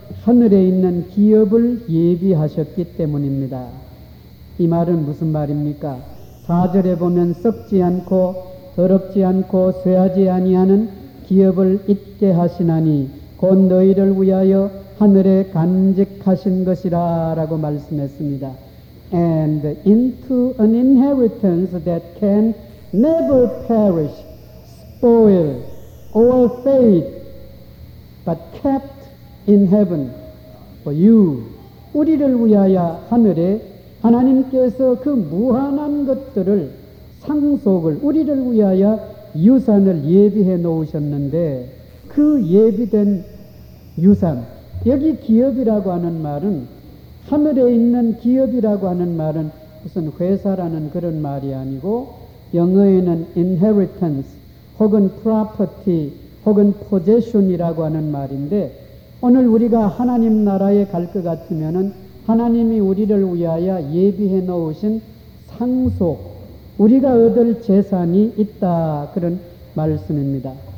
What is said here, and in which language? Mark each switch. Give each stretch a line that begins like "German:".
Korean: 하늘에 있는 기업을 예비하셨기 때문입니다. 이 말은 무슨 말입니까? 4절에 보면 썩지 않고 더럽지 않고 쇠하지 아니하는 기업을 있게 하시나니 곧 너희를 위하여 하늘에 간직하신 것이라 라고 말씀했습니다.
English: And into an inheritance that can never perish, spoil, or fade, but kept in heaven for you.
Korean: 우리를 위하여 하늘에 하나님께서 그 무한한 것들을 상속을 우리를 위하여 유산을 예비해 놓으셨는데 그 예비된 유산 여기 기업이라고 하는 말은 하늘에 있는 기업이라고 하는 말은 무슨 회사라는 그런 말이 아니고 영어에는 inheritance 혹은 property 혹은 possession이라고 하는 말인데 오늘 우리가 하나님 나라에 갈 것 같으면은 하나님이 우리를 위하여 예비해 놓으신 상속 우리가 얻을 재산이 있다 그런 말씀입니다.